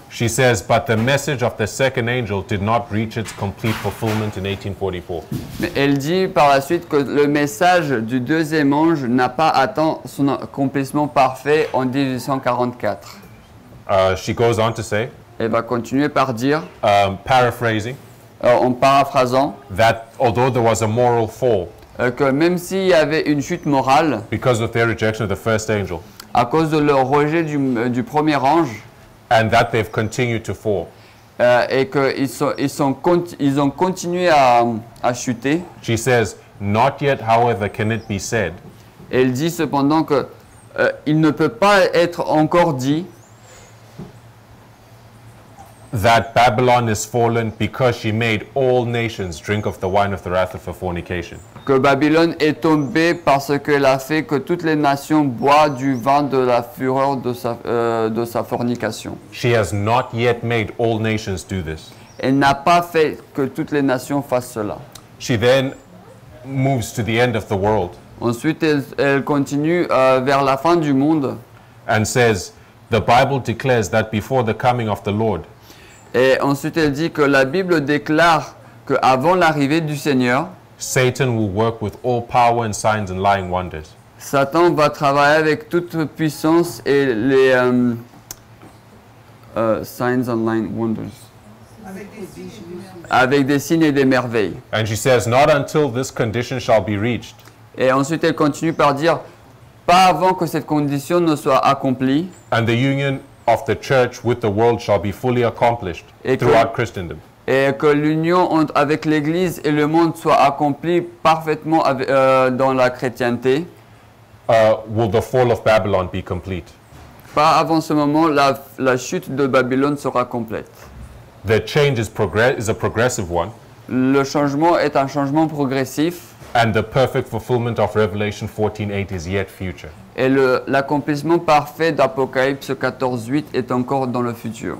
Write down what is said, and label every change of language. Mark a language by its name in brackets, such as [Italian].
[English] She says, but the message of the second angel did not reach its complete fulfillment in 1844. [French] Mais elle dit par la suite que le message du deuxième ange n'a pas atteint son accomplissement parfait en 1844. [English] She goes on to say. [French] Elle va continuer par dire. [English] Paraphrasing. [French] En paraphrasant. [English] That although there was a moral fall. [French] Que même s'il y avait une chute morale, [English] because of their rejection of the first angel, [French] à cause de leur rejet du premier ange, [English] and that they've continued to fall, [French] et qu'ils ont continué à chuter, [English] she says, not yet, however, can it be said. [French] Elle dit cependant que il ne peut pas être encore dit [English] that Babylon is fallen because she made all nations drink of the wine of the wrath of her fornication. [French] Que Babylone est tombée parce qu'elle a fait que toutes les nations boivent du vin de la fureur de sa fornication. [English] She has not yet made all nations do this. [French] Elle n'a pas fait que toutes les nations fassent cela. [English] She then moves to the end of the world. [French] Ensuite, elle continue vers la fin du monde. [English] And says, the Bible declares that before the coming of the Lord. [French] Et ensuite, elle dit que la Bible déclare que avant l'arrivée du Seigneur. [English] Satan will work with all power and signs and lying wonders. [French] Satan va travailler avec toute puissance et les [English] signs and lying wonders. [French] Avec des signes et des merveilles. [English] And she says, not until this condition shall be reached. [French] Et ensuite elle continue par dire, pas avant que cette condition ne soit accomplie. [English] And the union of the church with the world shall be fully accomplished throughout Christendom. [French] Et que l'union avec l'Église et le monde soit accomplie parfaitement dans la chrétienté. [English] Will the fall of Babylon be complete? [French] Pas avant ce moment, la chute de Babylone sera complète. [English] The change is a progressive one. [French] Le changement est un changement progressif. [English] And the perfect fulfillment of Revelation 14:8 is yet future. [French] Et l'accomplissement parfait d'Apocalypse 14:8 est encore dans le futur.